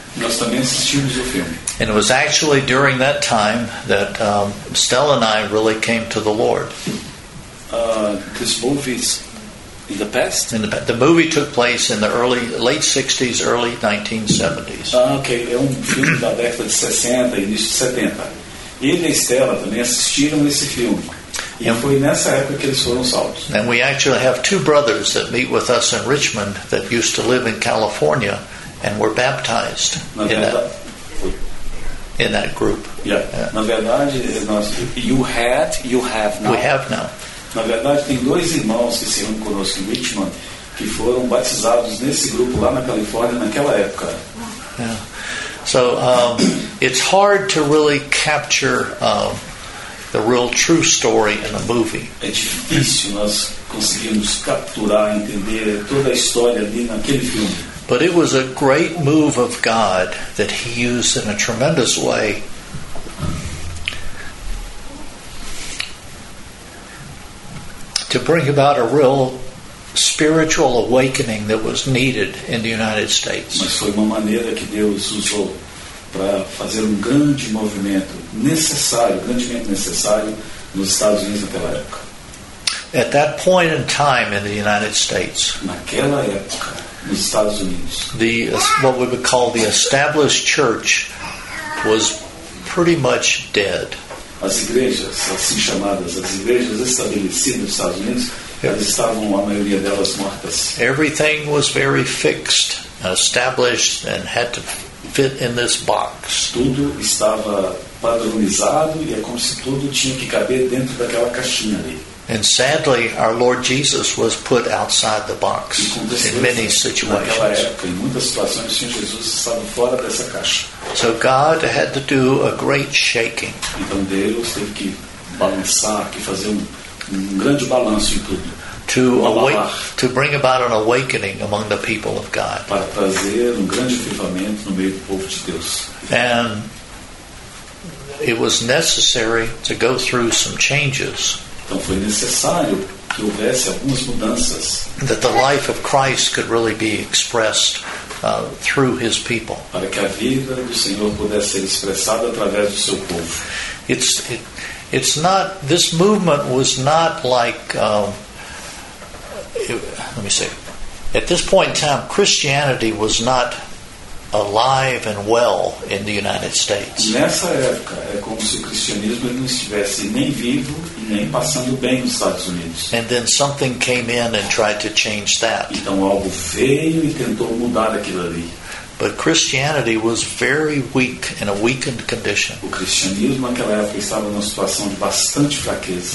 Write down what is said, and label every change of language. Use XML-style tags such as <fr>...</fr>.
<pt>Nós também assistimos o filme.</pt> <en>And it was actually during that time that Stella and I really came to the Lord. This movie's in the past? The movie took place in the late 60s, early 1970s.</en> <pt>Okay, é filme da década de 60, início de 70. Ele e Stella também assistiram esse filme. E foi nessa época que eles foram salvos.</pt> <en>And we actually have two brothers that meet with us in Richmond that used to live in California. And were baptized in that group.</en> <pt>Yeah. Na verdade,</pt> <en>we have now.</en> <pt>Na verdade, tem dois irmãos que se reúnem conosco em Richmond que foram batizados nesse grupo lá na Califórnia naquela época.</pt> <en>Yeah. So it's hard to really capture the real true story in a movie.</en> <pt>É difícil nós conseguirmos capturar, entender toda a história ali naquele filme.</pt> <en>But it was a great move of God that he used in a tremendous way. To bring about a real spiritual awakening that was needed in the United States.</en> <pt>Mas foi uma maneira que Deus usou para fazer grande movimento necessário, grandemente necessário nos Estados Unidos naquela época.</pt> <en>At that point in time in the United States.</en> <pt>Naquela época. Nos Estados Unidos.</pt> <en>The what we would call the established church was pretty much dead.</en> <pt>As igrejas, assim chamadas, as igrejas estabelecidas nos Estados Unidos, elas estavam, a maioria delas, mortas.</pt> <en>Everything was very fixed, established, and had to fit in this box.</en> <pt>Tudo estava padronizado e é como se tudo tinha que caber dentro daquela caixinha ali.</pt> <en>And sadly, our Lord Jesus was put outside the box in many situations.</en> <pt>Naquela época, em muitas situações, o Jesus estava fora dessa caixa.</pt> <en>So God had to do a great shaking.</en> <pt>Então Deus teve que balançar, que fazer um grande balanço em tudo.</pt> <en>to awake, to bring about an awakening among the people of God.</en> <pt>Para trazer grande avivamento no meio do povo de Deus.</pt> <en>And it was necessary to go through some changes.</en> <pt>Então foi necessário que houvesse algumas mudanças.</pt> <en>That the life of Christ could really be expressed through his people.</en> <pt>Para que a vida do Senhor pudesse ser expressada através do seu povo.</pt> <en>It's not, this movement was not like, let me see. At this point in time, Christianity was not alive and well in the United States.</en> <pt>Nessa época, é como se o cristianismo não estivesse nem vivo e nem passando bem nos Estados Unidos.</pt> <en>And then something came in and tried to change that.</en> <pt>Então algo veio e tentou mudar aquilo ali.</pt> <en>But Christianity was very weak, in a weakened condition.</en> <pt>O cristianismo naquela época estava numa situação de bastante fraqueza.</pt>